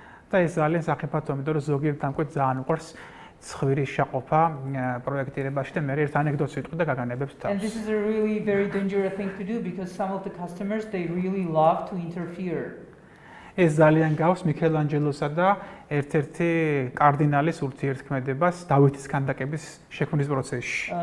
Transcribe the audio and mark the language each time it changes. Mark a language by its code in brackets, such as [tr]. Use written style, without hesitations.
[ka] და ეს ძალიან საკეთო, იმიტომ რომ ზოგიერთ დამკვეთს ძალიან უყვარს ცხვირის შეყოფა პროექტირებაში და მე ერთ ანეკდოტს ვიტყვი და გაგანებებს თავს. [en] And this is a really very dangerous thing to do because some of the customers they really love to interfere. [ka] ეს ძალიან გავს მიქელანჯელოსა და ერთ-ერთი კარდინალის ურთიერთქმედებას დავითის ქანდაკების შექმნის პროცესში.